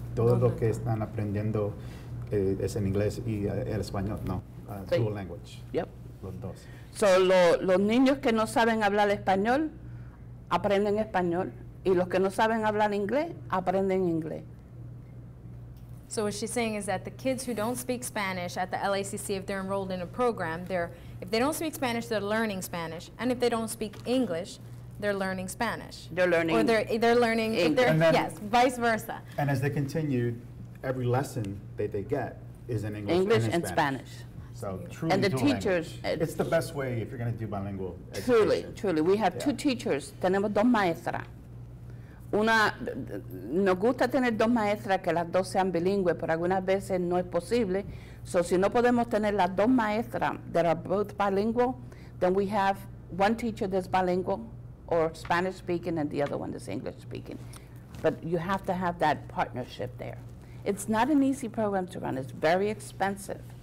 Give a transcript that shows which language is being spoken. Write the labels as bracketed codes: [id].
[es] Todo lo que están aprendiendo es en inglés y el español, no. Sí. [en] Dual language. Yep. [es] Los dos. So, los niños que no saben hablar español, aprenden español. Y los que no saben hablar inglés, aprenden inglés. [en] So what she's saying is that the kids who don't speak Spanish at the LACC, if they're enrolled in a program, if they don't speak Spanish, they're learning Spanish. And if they don't speak English, they're learning Spanish. They're learning English, vice versa. And as they continue, every lesson that they get is in English and Spanish. So truly, it's the best way if you're going to do bilingual education. Truly, truly. We have two teachers. [es] Tenemos dos maestras. Nos gusta tener dos maestras, que las dos sean bilingües, pero algunas veces no es posible. [en] So [es] si no podemos tener las dos maestras [en] that are both bilingual, then we have one teacher that's bilingual or Spanish speaking and the other one that's English speaking. But you have to have that partnership there. It's not an easy program to run. It's very expensive.